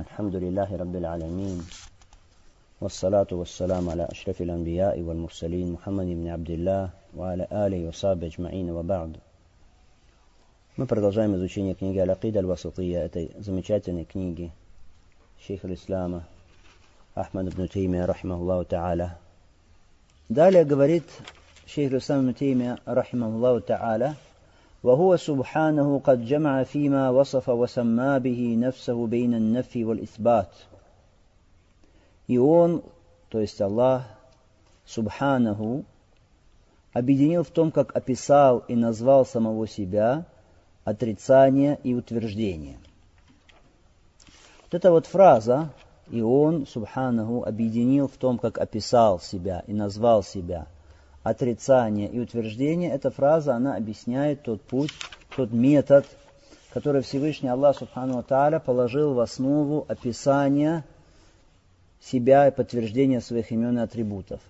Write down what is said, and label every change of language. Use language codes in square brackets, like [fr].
[ar] الحمد لله رب العالمين، والصلاة والسلام على أشرف الأنبياء والمرسلين محمد بن عبد الله وعلى آله وصحبه أجمعين، وبعد. [ru] Мы продолжаем изучение книги «Аль-Акида аль-Васытия», этой замечательной книги Шейх Ислама Ахмад ибн Таймия рахимахуллаху тааля. Далее говорит Шейх Ислама ибн Таймия рахимахуллаху тааля: [ar] وهو سبحانه قد جمع فيما وصف وسمى به نفسه بين النفي والإثبات. [ru] И он, то есть Аллах, سبحانه, объединил в том, как описал и назвал самого себя, отрицание и утверждение. Вот эта вот фраза, и он, سبحانه, объединил в том, как описал себя и назвал себя, отрицание и утверждение, эта фраза, она объясняет тот путь, тот метод, который Всевышний Аллах Субхану ва Тааля положил в основу описания себя и подтверждения своих имен и атрибутов.